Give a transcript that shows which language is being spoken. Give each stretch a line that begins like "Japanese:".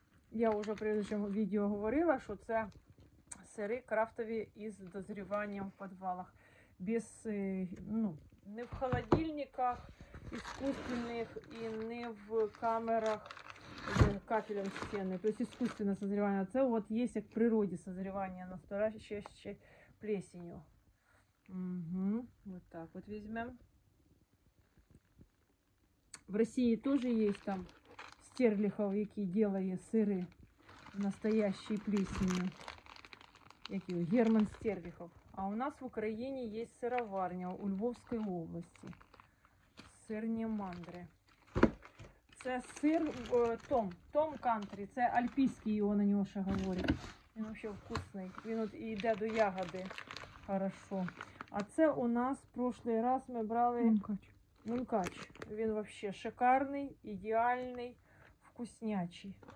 Ukrainian: Я вже в предыдущому відео говорила, що це сири крафтові із дозріванням в підвалах. Без, ну, не в холодильниках іскусственних і не в камерах.
Russian: Кафелем стены, то есть искусственное созревание. Це вот есть як в природе созревание настоящей плесенью. Угу. Вот так вот возьмем. В России тоже есть там Стерлихов, який делает сыры настоящей плесенью. Який? Герман Стерлихов. А у нас в Украине есть сыроварня у Львовской области. Сырня Мандри.
Ukrainian: Це сир Том Кантрі, це альпійський, його на нього ще говорять. Він взагалі вкусний, він от йде до ягоди. Хорошо. А це у нас, прошлий раз ми брали... Мункач. Мункач. Він взагалі шикарний, ідеальний, вкуснячий.